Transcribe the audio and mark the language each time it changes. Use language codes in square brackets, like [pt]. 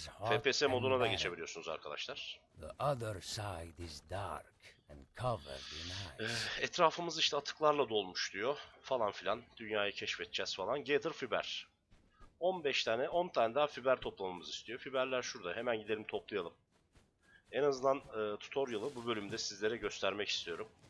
[tr] FPS moduna da geçebiliyorsunuz arkadaşlar. [en] The other side is dark and covered in ice. [tr] Etrafımız işte atıklarla dolmuş diyor falan filan. Dünyayı keşfedeceğiz falan. [en] Gather fiber. [tr] 15 tane, 10 tane daha fiber toplamamız istiyor. Fiberler şurada. Hemen gidelim toplayalım. En azından tutorial'ı bu bölümde sizlere göstermek istiyorum.